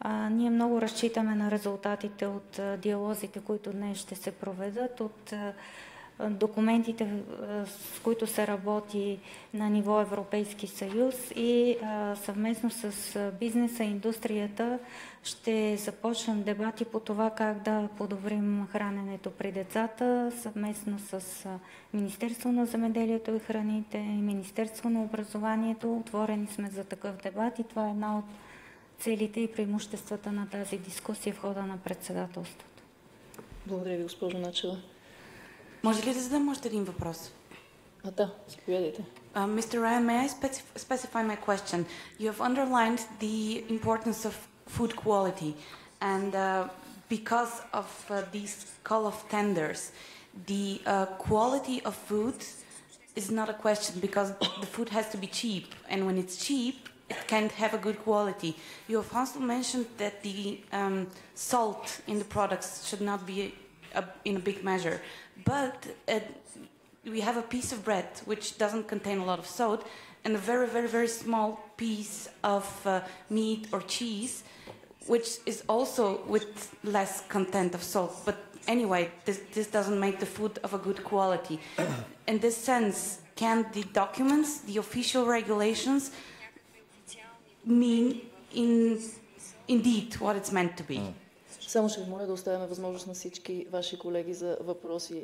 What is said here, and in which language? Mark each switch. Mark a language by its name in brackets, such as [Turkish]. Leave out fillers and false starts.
[Bulgarian] Ние много разчитаме на резултатите от диалозите, които днес ще се проведат, от документите, с които се работи на ниво Европейски съюз, и съвместно с бизнеса и индустрията ще започнем дебати по това как да подобрим храненето при децата, съвместно с Министерство на земеделието и храните, Министерство на образованието. Отворени сме за такъв дебат и това е една от целите и преимуществата на тази дискусия в хода на председателството. Благодаря ви, госпожо Начева. Може ли да задам още един въпрос? А, да, заповядайте. [English] Mr. Ryan, may I specify my question? You have underlined the importance of food quality, and because of these call of tenders, the quality of food is not a question, because the food has to be cheap, and when it's cheap, it can't have a good quality. You have also mentioned that the salt in the products should not be in a big measure. But we have a piece of bread which doesn't contain a lot of salt, and a very, very, very small piece of meat or cheese, which is also with less content of salt. But anyway, this doesn't make the food of a good quality. In this sense, can the documents, the official regulations, mean indeed what it's meant to be? Mm. [Bulgarian] Само ще ви моля да оставяме възможност на всички ваши колеги за въпроси.